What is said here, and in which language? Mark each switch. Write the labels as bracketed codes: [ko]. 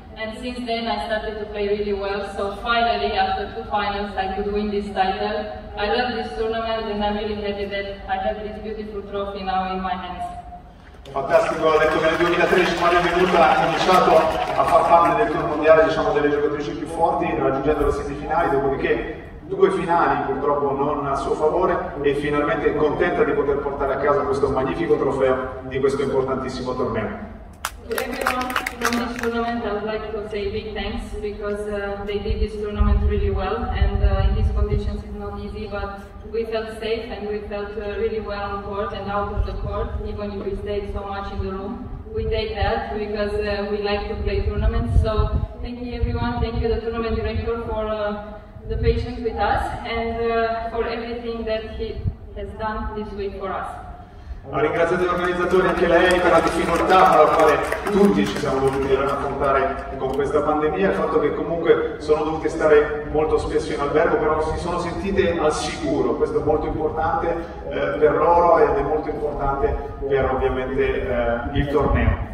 [en] And since then, I started to play really well. So finally, after 2 finals, I could win this title. I love this tournament, and I'm really happy that I have this beautiful trophy now in my hands. [it] Fantastico, ha detto che nel 2013 Maria Venuta ha cominciato a far parte del tour mondiale, diciamo, delle giocatrici più forti, raggiungendo le semifinali, dopodiché 2 finali purtroppo non a suo favore e finalmente è contenta di poter portare a casa questo magnifico trofeo di questo importantissimo torneo. [en] From this tournament, I would like to say big thanks because they did this tournament really well and in these conditions it's not easy, but we felt safe and we felt really well on court and out of the court, even if we stayed so much in the room. We take that because we like to play tournaments. So thank you everyone, thank you the tournament director for the patience with us and for everything that he has done this week for us. [it] Ho ringraziato gli organizzatori, anche lei, per la difficoltà alla quale tutti ci siamo dovuti raccontare con questa pandemia, il fatto che comunque sono dovute stare molto spesso in albergo, però si sono sentite al sicuro. Questo è molto importante per loro ed è molto importante per ovviamente il torneo.